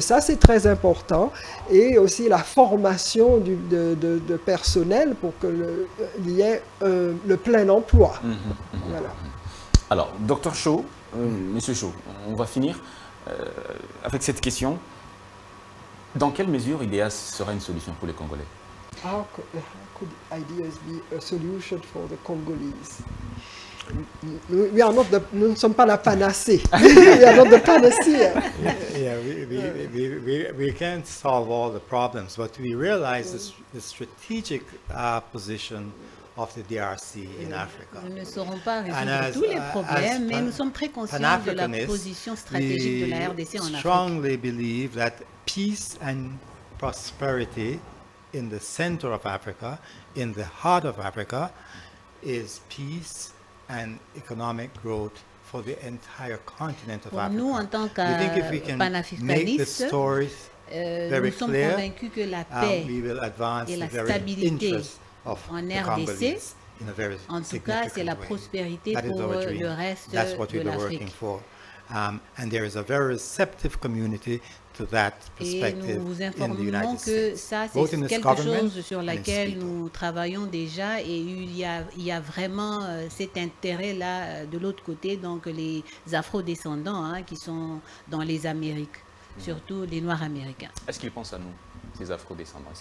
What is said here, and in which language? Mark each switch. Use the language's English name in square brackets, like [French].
[French] Ça c'est très important, et aussi la formation de personnes personnel pour que il y ait le plein emploi. Mmh, mmh. Voilà. Alors, docteur Cho, monsieur Cho, on va finir avec cette question. Dans quelle mesure IDEAS sera une solution pour les Congolais? [English] How could IDEAS be a solution for the Congolese? [French] Nous ne sommes pas la panacée. [English] We are not the panacea. We can't solve all the problems, but we realize the strategic position of the DRC in Africa. [French] Nous ne saurons pas résoudre tous les problèmes, mais nous sommes très conscients de la position stratégique de la RDC en Afrique. [English] We strongly believe that peace and prosperity in the center of Africa, in the heart of Africa, is peace and economic growth for the entire continent of Africa. [French] Nous, en tant que panafricanistes, nous sommes convaincus que la paix et la stabilité en RDC, en tout cas, c'est la prospérité pour le reste de l'Afrique. [English] And there is a very receptive community to that perspective. [French] Et nous vous informons que ça, c'est quelque chose sur laquelle nous travaillons déjà, et il y a vraiment cet intérêt-là de l'autre côté, donc les Afro-descendants qui sont dans les Amériques, surtout les Noirs américains. Est-ce qu'ils pensent à nous, ces Afro-descendants?